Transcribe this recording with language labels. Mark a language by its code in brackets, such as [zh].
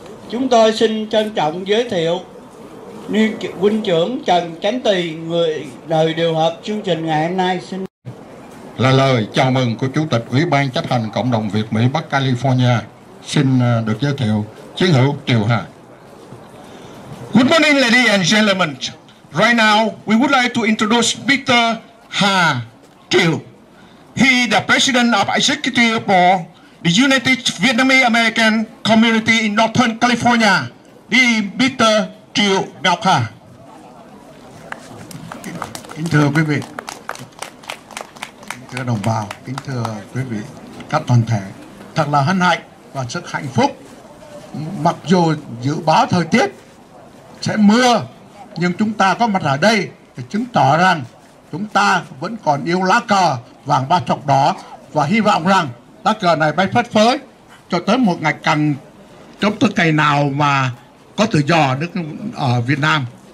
[vi] Chúng tôi xin trân trọng giới thiệu Niên huynh trưởng Trần Chánh Tỳ, người đời điều hợp chương trình ngày hôm nay. Xin là lời chào mừng của Chủ tịch Ủy ban Chấp hành Cộng đồng Việt Mỹ Bắc California. Xin được giới thiệu chiến hữu Triều Hà. [en] Good morning, ladies and gentlemen. Right now, we would like to introduce Peter Hà Triều. He is the president of executive board, the United Vietnamese American Community in Northern California. The Peter Triều Ngọc Hà. [vi] Kính thưa quý vị, kính thưa đồng bào, kính thưa quý vị, các toàn thể, thật là hân hạnh và rất hạnh phúc. Mặc dù dự báo thời tiết sẽ mưa, nhưng chúng ta có mặt ở đây để chứng tỏ rằng chúng ta vẫn còn yêu lá cờ vàng ba chọc đỏ và hy vọng rằng lá cờ này bay phất phới cho tới một ngày càng chống tới cây nào mà có tự do ở nước ở Việt Nam.